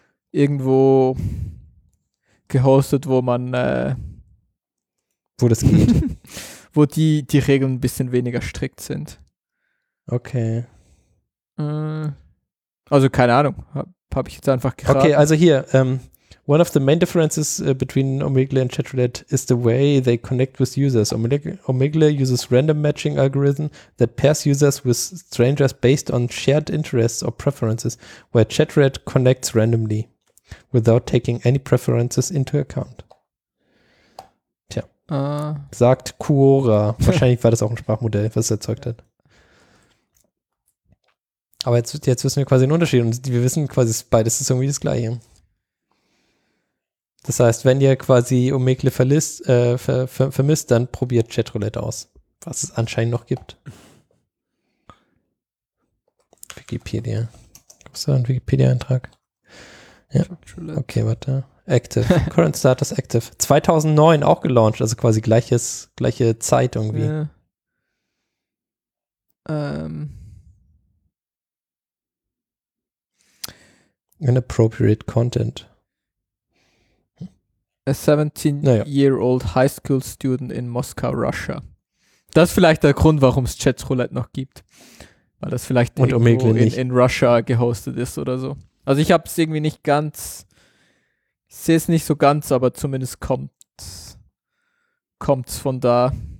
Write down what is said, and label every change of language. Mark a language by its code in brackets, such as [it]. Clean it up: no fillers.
[de] Irgendwo gehostet, wo man wo das geht. Wo die Regeln ein bisschen weniger strikt sind. Okay. Also keine Ahnung, hab ich jetzt einfach geraten. Okay, also hier, [en] One of the main differences between Omegle and Chatroulette is the way they connect with users. Omegle uses random matching algorithm that pairs users with strangers based on shared interests or preferences, where Chatroulette connects randomly without taking any preferences into account. [de] Tja. Sagt Quora. Wahrscheinlich war das auch ein Sprachmodell, was es erzeugt hat. Aber jetzt wissen wir quasi den Unterschied und wir wissen quasi, beides ist irgendwie das Gleiche. Das heißt, wenn ihr quasi Omegle vermisst, dann probiert Chatroulette aus, was es anscheinend noch gibt. Wikipedia. Gibt es da einen Wikipedia-Eintrag? Ja. Okay, warte. [en] Active. Current Status Active. [de] 2009 auch gelauncht, also quasi gleiche Zeit irgendwie. Ja. [en] Inappropriate Content. A 17-year-old high school student in Moskau, Russia. [de] Das ist vielleicht der Grund, warum es Chatroulette noch gibt. Weil das vielleicht und irgendwo in Russia gehostet ist oder so. Also ich habe es irgendwie nicht ganz, ich sehe es nicht so ganz, aber zumindest kommt es von da.